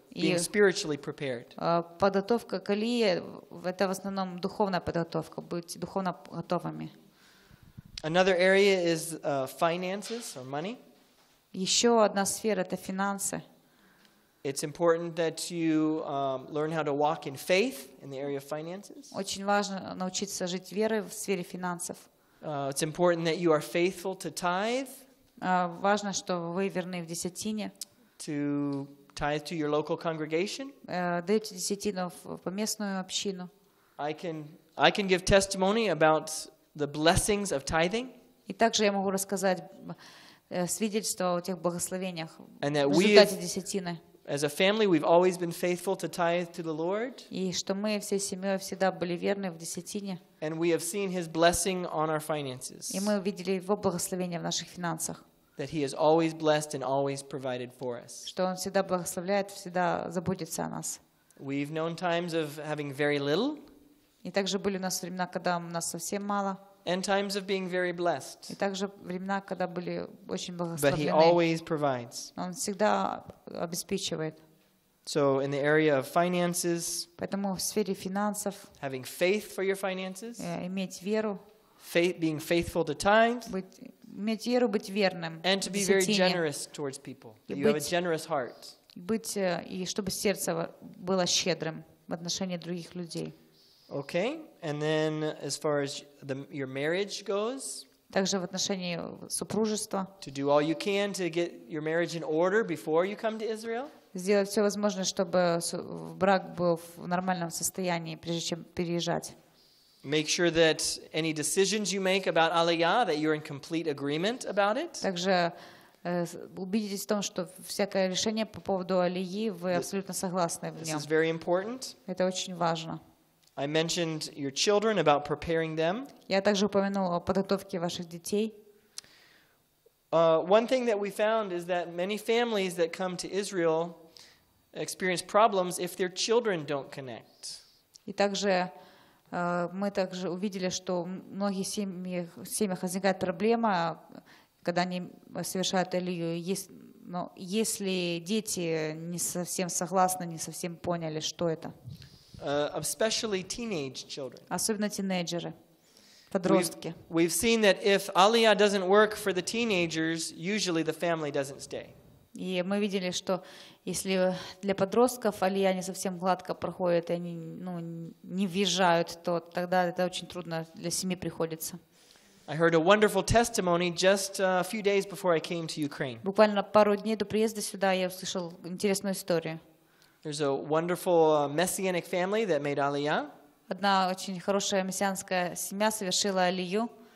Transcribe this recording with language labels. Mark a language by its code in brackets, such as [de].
[en] being spiritually prepared. [ru] Подготовка к Алии — это в основном духовная подготовка, быть духовно готовыми. [en] Another area is finances or money. [ru] Еще одна сфера — это финансы. [en] It's important that you learn how to walk in faith in the area of finances. [ru] Очень важно научиться жить верой в сфере финансов. [en] It's important that you are faithful to tithe. [ru] Важно, что вы верны в десятине. [en] To tithe to your local congregation. [ru] Даете десятину по местную общину. [en] I can give testimony about the blessings of tithing. [ru] И также я могу рассказать свидетельство о тех благословениях в результате десятины. [en] As a family, we've always been faithful to tithe to the Lord. [ru] И что мы всей семьей всегда были верны в десятине. [en] And we have seen His blessing on our finances. [ru] И мы видели Его благословение в наших финансах. [en] That He has always blessed and always provided for us. [ru] Что Он всегда благословляет, всегда заботится о нас. [en] We've known times of having very little. [ru] И также были у нас времена, когда у нас совсем мало. [en] And times of being very blessed. [ru] И также времена, когда были очень благословлены. [en] But He always provides. [ru] Он всегда обеспечивает. [en] So in the area of finances. [ru] Поэтому в сфере финансов. [en] Having faith for your finances. [ru] Иметь веру. [en] Faith, being faithful to times. [ru] Иметь веру, быть верным. [en] And to be very generous towards people. You have a generous heart. [ru] Быть и чтобы сердце было щедрым в отношении других людей. [en] Okay, and then as far as your marriage goes, [ru] также в отношении супружества, [en] to do all you can to get your marriage in order before you come to Israel, [ru] сделать все возможное, чтобы брак был в нормальном состоянии, прежде чем переезжать. [en] Make sure that any decisions you make about Aliyah, that you're in complete agreement about it. [ru] Также убедитесь в том, что всякое решение по поводу Алии вы абсолютно согласны в нем. [en] This is very important. [ru] Это очень важно. [en] I mentioned your children about preparing them. [ru] Я также упомянул о подготовке ваших детей. [en] One thing that we found is that many families that come to Israel experience problems if their children don't connect. [ru] И также мы также увидели, что многие семьях возникает проблема, когда они совершают алию, если дети не совсем согласны, не совсем поняли, что это. [en] Especially teenage children. [ru] Особенно тинейджеры, подростки. [en] We've seen that if Aliyah doesn't work for the teenagers, usually the family doesn't stay. [ru] И мы видели, что если для подростков Алия не совсем гладко проходит, и они не въезжают, то тогда это очень трудно для семьи приходится. [en] I heard a wonderful testimony just a few days before I came to Ukraine. [ru] Буквально пару дней до приезда сюда я услышал интересную историю. [en] There's a wonderful messianic family that made Aliyah. [ru] Одна очень хорошая мессианская семья совершила Алию.